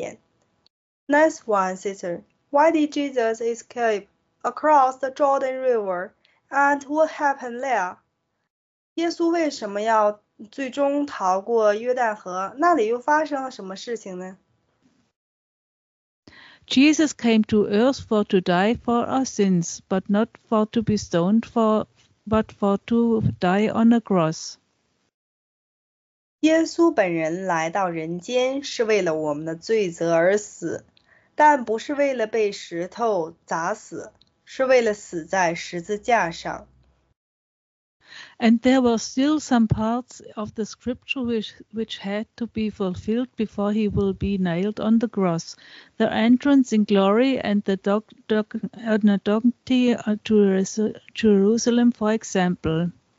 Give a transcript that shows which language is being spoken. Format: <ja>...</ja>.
<zh>在上面这段经文当中，他说犹太人要看行为，才能知道他的父亲在他的体内，他也在他父亲的体内。他的行为本身已然证明了这一点。</zh> <en>Nice one, sister. Why did Jesus escape across the Jordan River, and what happened there?</en> <zh>耶稣为什么要最终逃过约旦河？那里又发生了什么事情呢？</zh> <en>Jesus came to earth for to die for our sins, but not for to be stoned for, but for to die on a cross.</en> <zh>耶稣本人来到人间是为了我们的罪责而死，但不是为了被石头砸死。</zh> <en>And there were still some parts of the scripture which had to be fulfilled before he will be nailed on the cross. The entrance in glory and the donkey to Jerusalem, for example.</en>